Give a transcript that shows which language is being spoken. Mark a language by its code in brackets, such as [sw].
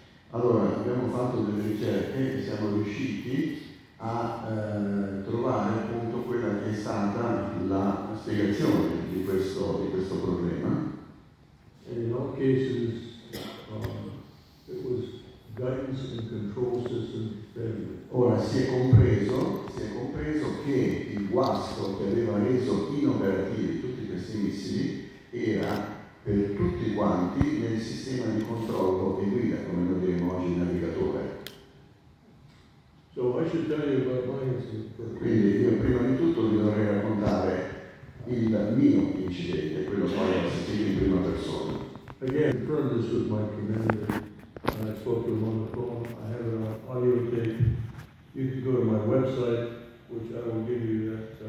[it] Allora, abbiamo fatto delle ricerche e siamo riusciti a trovare appunto quella che è stata la spiegazione di questo problema. [en] And in all cases, it was guidance and control system failure. [it] Ora si è compreso che il guasto che aveva reso inoperativi tutti questi missili era per tutti quanti nel sistema di controllo e guida, come lo vediamo oggi, il navigatore. [en] So I should tell you about my incident. [it] Quindi io prima di tutto vi dovrei raccontare il mio incidente, quello poi ho sentito in prima persona. [en] Again, confirmed this with my commander, and I spoke to him on the phone. I have an audio tape. You can go to my website, which I will give you that.